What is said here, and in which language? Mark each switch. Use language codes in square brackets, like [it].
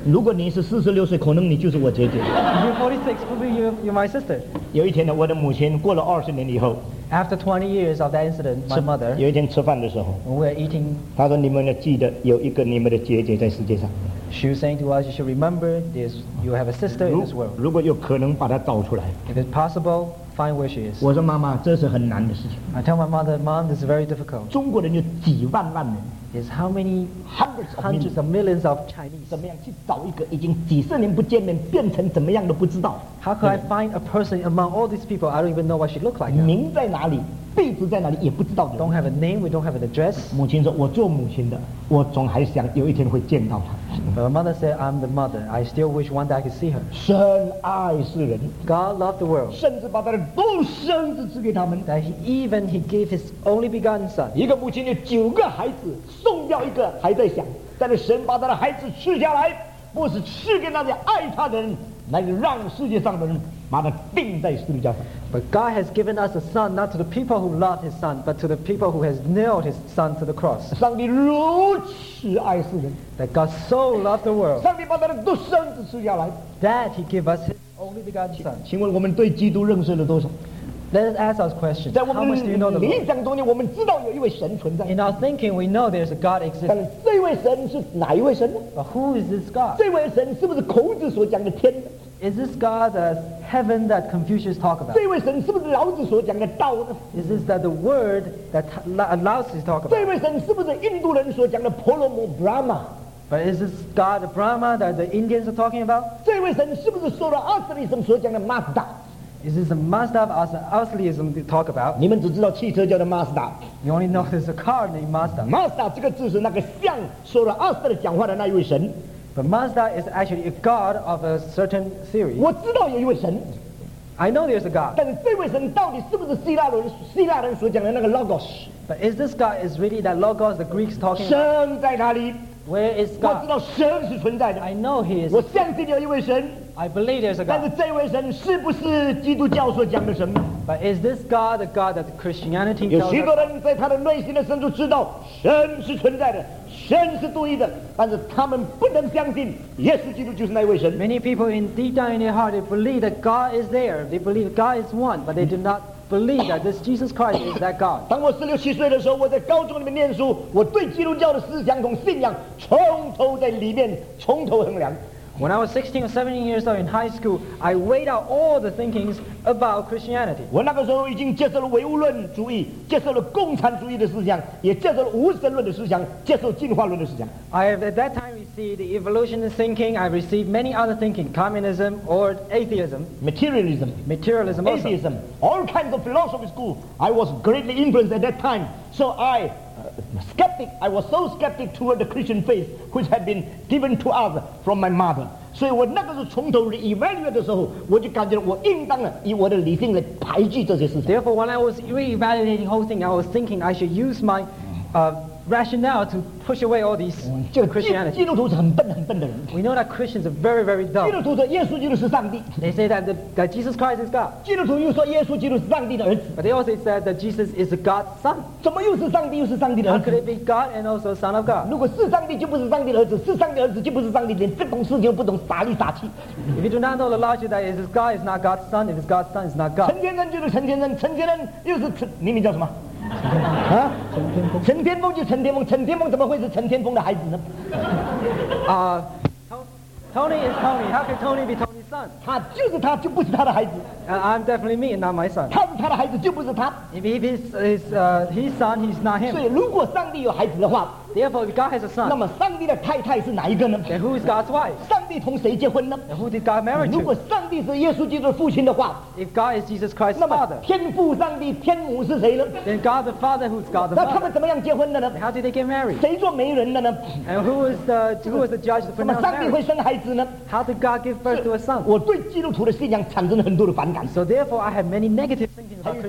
[zh] 如果你是46岁, 可能你就是我姐姐。 [en] If you're 46, probably you're my sister. [zh] 有一天呢, 我的母亲过了20年以后, [en] After 20 years of that incident, my mother, [zh] 有一天吃饭的时候, [en] when we were eating, [zh] 她说你们要记得有一个你们的姐姐在世界上。 [en] She was saying to us, you should remember, you have a sister in this world. [zh] 如果有可能把她找出来, [en] if it's possible, fine wishes. [zh] 我说妈妈，这是很难的事情。 [en] I tell my mother, Mom, this is very difficult. [zh] 中国人有几万万人。 [en] Is how many hundreds of millions of Chinese? [zh] 怎么样去找一个已经几十年不见面，变成怎么样都不知道 [en] ？How could I find a person among all these people? I don't even know what she looked like. [zh] 名在哪里？辈子在哪里？也不知道。 [en] Don't have a name. We don't have an address. [zh] 母亲说：“我做母亲的，我总还想有一天会见到她。” [en] But my mother said, "I'm the mother. I still wish one day I could see her." [zh] 神爱世人 [en] ，God loved the world. [zh] 甚至把他的独生子赐给他们。 [en] That he gave his only begotten son. [zh] 一个母亲有九个孩子，送掉一个还在想，但是神把他的孩子赐下来，不是赐给那些爱他的人，乃是让世界上的人把他钉在十字架上。 [en] But God has given us a son not to the people who love his son but to the people who has nailed his son to the cross. [zh] 上帝如此爱世人 [en] that God so loved the world. [zh] 上帝把他的独生子赐下来 [en] that he gave us his only begotten son. [zh] 请问我们对基督认识了多少？ [en] Let us ask our question. How much do you know the Lord? [zh] 理想中间我们知道有一位神存在。 [en] In our thinking, we know there's a God exists. [zh] 但是这位神是哪一位神呢？ [en] But who is this God? [zh] 这位神是不是孔子所讲的天？ [en] Is this God the heaven that Confucius talk about? [zh] 这位神是不是老子所讲的道呢？ [en] Is this the word that Laozi talk about? [zh] 这位神是不是印度人所讲的婆罗门 Brahma? [en] But is this God Brahma that the Indians are talking about? [zh] 这位神是不是受了阿斯利什所讲的 Mazda? [en] Is this the Mazda of Aslism to talk about? [zh] 你们只知道汽车叫做 Mazda. [en] You only know there's a car named Mazda. [zh] Mazda 这个字是那个像受了阿斯利讲话的那一位神。 [en] But Mazda is actually a god of a certain theory. [zh] 我知道有一位神。 [en] I know there's a god. [zh] 但是这位神到底是不是希腊人所讲的那个 Logos? [en] But is this god is really that Logos the Greeks talking about? [zh] 神在哪里？ [en] Where is God? [zh] 我知道神是存在的。 [en] I know he is. [zh] 我相信有一位神。 [en] I believe there's a god. [zh] 但是这位神是不是基督教所讲的神？ [en] But is this god the god that Christianity tells us? [zh] 有许多人在他的内心的深处知道神是存在的。神是独一的，但是他们不能相信耶稣基督就是那位神。 [en] Many people in deep down in their heart they believe that God is there. They believe God is one, but they do not believe that this Jesus Christ is that God. [zh] 当我十六七岁的时候，我在高中里面念书，我对基督教的思想同信仰从头在里面从头衡量。 [en] When I was 16 or 17 years old in high school, I weighed out all the thinkings about Christianity. [zh] 我那个时候已经接受了唯物论主义，接受了共产主义的思想，也接受了无神论的思想，接受进化论的思想。 [en] I have at that time received the evolutionist thinking. I received many other thinking, communism or atheism, materialism, also. Atheism, all kinds of philosophy school. I was greatly influenced at that time, so I. Skeptic, I was so skeptic toward the Christian faith which had been given to us from my mother. [zh] 所以我那个时候从头 re-evaluate 的时候，我就感觉我应当以我的理性来排拒这些事情。 [en] Therefore, when I was re-evaluating the whole thing, I was thinking I should use my rationale to push away all these Christianity. [zh] 基督徒是很笨很笨的人。 [en] We know that Christians are very, very dumb. [zh] 基督徒说耶稣基督是上帝。 [en] They say that Jesus Christ is God. [zh] 基督徒又说耶稣基督是上帝的儿子。 [en] But they also said that Jesus is God's son. [zh] 怎么又是上帝又是上帝的儿子？ [en] How could it be God and also son of God? [zh] 如果是上帝就不是上帝的儿子，是上帝的儿子就不是上帝，连这种事情都不懂，傻里傻气。 [en] If you do not know the logic that is God is not God's son, if it's God's son, it's not God. [zh] 陈天恩就是陈天恩，陈天恩又是陈，你名叫什么？啊，陈天峰就陈天峰，陈天峰怎么会是陈天峰的孩子呢？ [en] 啊，Tony is Tony. How can Tony be Tony's son? [zh] 他就是他，就不是他的孩子。 [en] I'm definitely me, not my son. [zh] 他是他的孩子，就不是他。 [en] If his son, he's not him. [zh] 所以，如果上帝有孩子的话 [en] ，Therefore, God has a son. [zh] 那么，上帝的太太是哪一个呢 [en] ？Then who is God's wife? [zh] 上帝同谁结婚呢 [en] ？Who did God marry to? [zh] 如果上帝是耶稣基督的父亲的话 [en] ，If God is Jesus Christ's father, [zh] 天父上帝天母是谁呢 [en] ？Then God the Father, who's God the Father? [zh] 那他们怎么样结婚的呢 [en] ？How did they get married? [zh] 谁做媒人的呢 [en] ？And who is the judge for marriage? [zh] 那上帝会生孩子呢 [en] ？How did God give birth to a son? [zh] 我对基督徒的信仰产生了很多的反。 [en] So therefore, I have many negative thinking about Christianity.